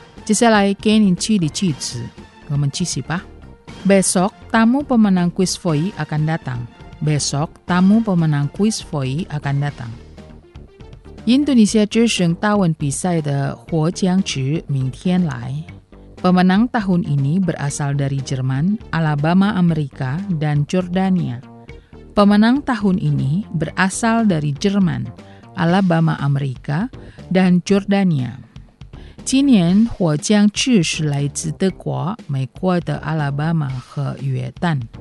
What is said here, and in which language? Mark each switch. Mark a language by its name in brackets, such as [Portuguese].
[Chinese] 接下来给您举例句子，我们继续吧。 [Indonesian] Besok tamu pemenang Quiz Foy akan datang。 Besok tamu pemenang Quiz Foy akan datang。 [Chinese] 印度尼西亚之声大文比赛的获奖者明天来。 [Indonesian] Pemenang tahun ini berasal dari Jerman, Alabama, Amerika, dan Jordania. Pemenang tahun ini berasal dari Jerman, Alabama, Amerika, dan Jordania. [Chinese] 今年获奖者是来自德国、美国的阿拉巴马和约旦。